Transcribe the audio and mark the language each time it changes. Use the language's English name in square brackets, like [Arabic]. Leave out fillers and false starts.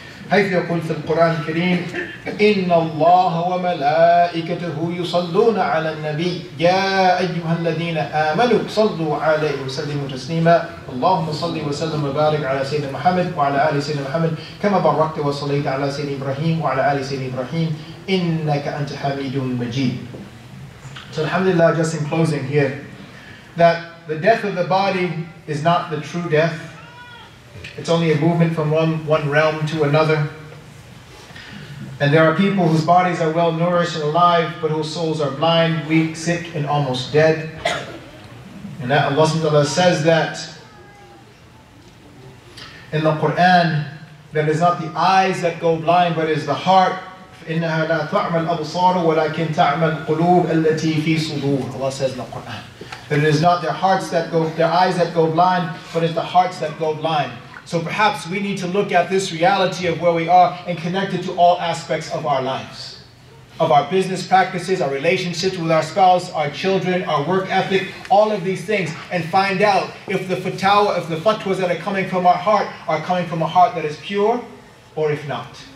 [Arabic] حيث يقول في القرآن الكريم إن الله وملائكته يصلون على النبي يا أيها الذين آمنوا صلوا عليه وسلموا تسليما اللهم صل وسلم وبارك على سيدنا محمد وعلى آل سيدنا محمد كما باركت وصليت على سيدنا إبراهيم وعلى آل سيدنا إبراهيم إنك أنت حميد مجيد. [English] So alhamdulillah, just in closing here, that the death of the body is not the true death. It's only a movement from one realm to another. And there are people whose bodies are well nourished and alive, but whose souls are blind, weak, sick, and almost dead. And that Allah subhanahu wa ta'ala says that in the Quran, that it's not the eyes that go blind, but it's the heart. [Arabic] إِنَّهَا لَا تَعْمَ الْأَبْصَارُ وَلَكِنْ تَعْمَ الْقُلُوبُ الَّتِي فِي صُدُورٍ [English] Allah says in the Quran. That it is not their hearts that go, their eyes that go blind, but it's the hearts that go blind. So perhaps we need to look at this reality of where we are and connect it to all aspects of our lives, of our business practices, our relationships with our spouse, our children, our work ethic, all of these things, and find out if the fatwa, if the fatwas that are coming from our heart are coming from a heart that is pure or if not.